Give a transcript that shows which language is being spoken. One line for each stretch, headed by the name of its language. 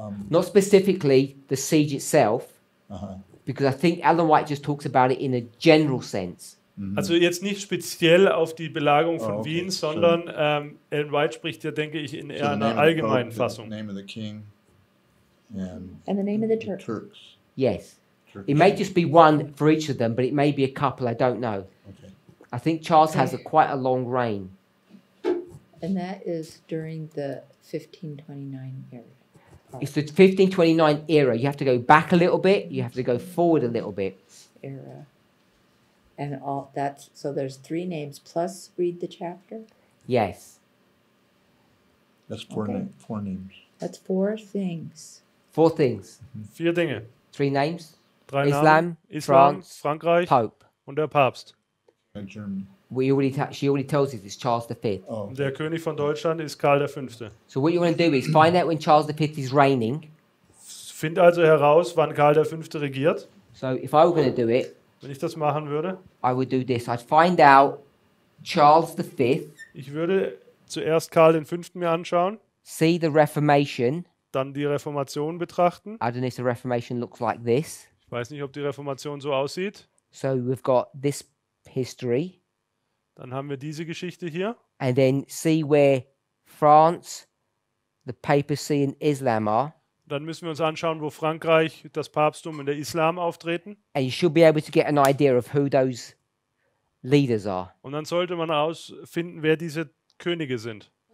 English: Not specifically the siege itself, because I think Ellen White just talks about it in a general sense. Mm-hmm.
German: Also jetzt nicht speziell auf die Belagerung von Wien, sondern Ellen White spricht ja, denke ich, in eher einer allgemeinen
English: Pope,
German: Fassung.
English: The name of the king and the name of the Turks. Yes. Turks. It may just be one for each of them, but it may be a couple, I don't know. Okay. I think Charles has quite a long reign. And that is during the 1529 era. Oh. It's the 1529 era. You have to go back a little bit. You have to go forward a little bit. Era. And all that. So there's three names plus read the chapter? Yes. That's four names. That's four things. Four things.
German: Mm-hmm. Vier Dinge.
English: Three names.
German: Drei
English: Islam,
German: Islam,
English: France,
German: Frankreich,
English: Pope.
German: Und der Papst.
English: And Germany. She already tells you it's Charles V. Oh.
German: Der König von Deutschland ist Karl der Fünfte.
English: So what you want to do is find out when Charles V is reigning.
German: Find also heraus, wann Karl der Fünfte regiert.
English: So if I were going to do it,
German: wenn ich das machen würde,
English: I would do this. I'd find out Charles V.
German: Ich würde zuerst Karl den Fünften mir anschauen.
English: See the Reformation.
German: Dann die Reformation betrachten.
English: I don't know if the Reformation looks like this.
German: Ich weiß nicht, ob die Reformation so aussieht.
English: So we've got this history.
German: Dann haben wir diese Geschichte hier.
English: And then see where France, the papacy and Islam are.
German: Dann müssen wir uns anschauen, wo Frankreich, das Papsttum und der Islam auftreten.
English: And you should be able to get an idea of who those leaders are.
German: Und dann sollte man herausfinden, wer diese Könige sind.